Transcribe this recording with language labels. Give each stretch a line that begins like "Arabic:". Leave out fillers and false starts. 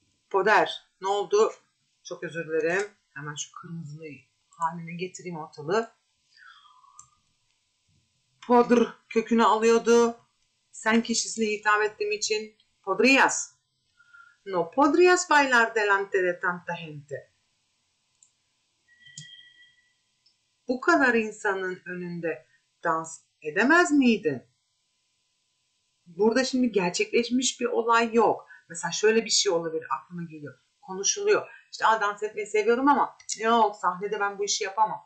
Turkish: Poder. Ne oldu? Çok özür dilerim. Hemen şu kırmızıyı haline getireyim ortalığı. Podr kökünü alıyordu. Sen kişisine hitap ettiğim için
Spanish: podrías. No podrías bailar delante de tanta gente.
Turkish: Bu kadar insanın önünde dans edemez miydin? Burada şimdi gerçekleşmiş bir olay yok. Mesela şöyle bir şey olabilir, aklıma geliyor. Konuşuluyor. İşte dans etmeyi seviyorum ama yok sahnede ben bu işi yapamam.